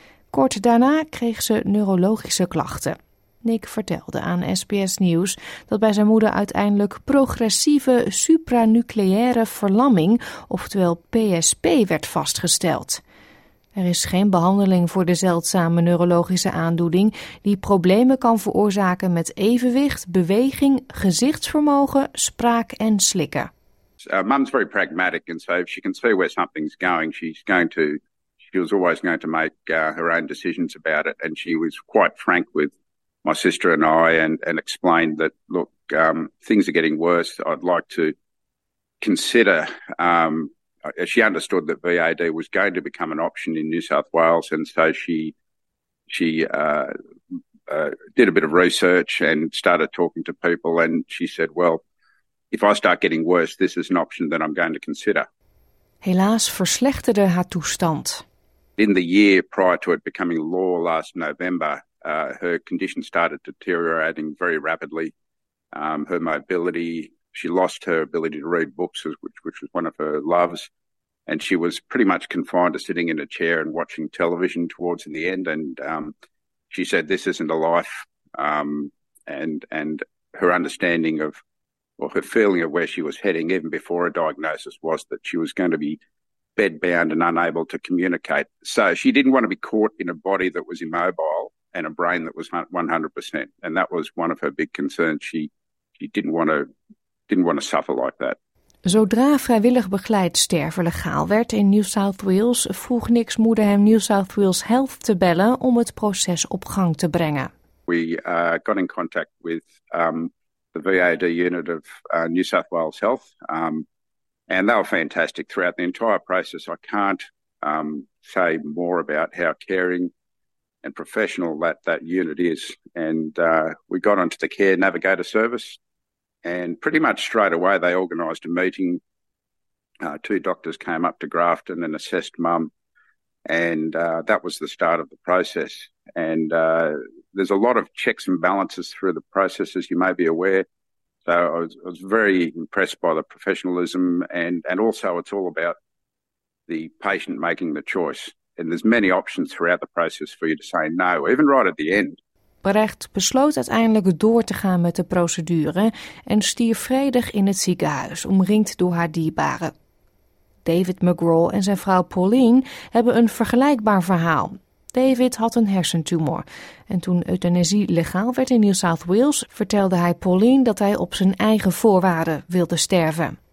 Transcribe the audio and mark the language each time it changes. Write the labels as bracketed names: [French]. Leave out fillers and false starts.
[Dutch] Kort daarna kreeg ze neurologische klachten. Nick vertelde aan SBS Nieuws dat bij zijn moeder uiteindelijk progressieve supranucleaire verlamming, oftewel PSP, werd vastgesteld. Er is geen behandeling voor de zeldzame neurologische aandoening die problemen kan veroorzaken met evenwicht, beweging, gezichtsvermogen, spraak en slikken. [English] Mum's very pragmatic and so if she can see where something's going, she was always going to make her own decisions about it. And she was quite frank with my sister and I and explained that look, things are getting worse. I'd like to consider. She understood that VAD was going to become an option in New South Wales, and so she did a bit of research and started talking to people. And she said, "Well, if I start getting worse, this is an option that I'm going to consider." [Dutch] Helaas verslechterde haar toestand. [English] In the year prior to it becoming law last November, her condition started deteriorating very rapidly. Her mobility, she lost her ability to read books, which was one of her loves. And she was pretty much confined to sitting in a chair and watching television towards the end. And she said, this isn't a life. And her understanding of, or her feeling of where she was heading even before a diagnosis was that she was going to be bedbound and unable to communicate. So she didn't want to be caught in a body that was immobile and a brain that was 100%. And that was one of her big concerns. She didn't want to suffer like that. [Dutch] Zodra vrijwillig begeleid sterven legaal werd in New South Wales, vroeg Nick's moeder hem New South Wales Health te bellen om het proces op gang te brengen. [English] We got in contact with the VAD unit of New South Wales Health. And they were fantastic throughout the entire process. I can't say more about how caring and professional that unit is. And we got onto the Care Navigator service. And pretty much straight away, they organised a meeting. Two doctors came up to Grafton and assessed mum. And that was the start of the process. And there's a lot of checks and balances through the process, as you may be aware. So I was very impressed by the professionalism. And also, it's all about the patient making the choice. And there's many options throughout the process for you to say no, even right at the end. [Dutch] Brecht besloot uiteindelijk door te gaan met de procedure en stierf vredig in het ziekenhuis, omringd door haar dierbaren. David McGraw en zijn vrouw Pauline hebben een vergelijkbaar verhaal. David had een hersentumor en toen euthanasie legaal werd in New South Wales, vertelde hij Pauline dat hij op zijn eigen voorwaarden wilde sterven.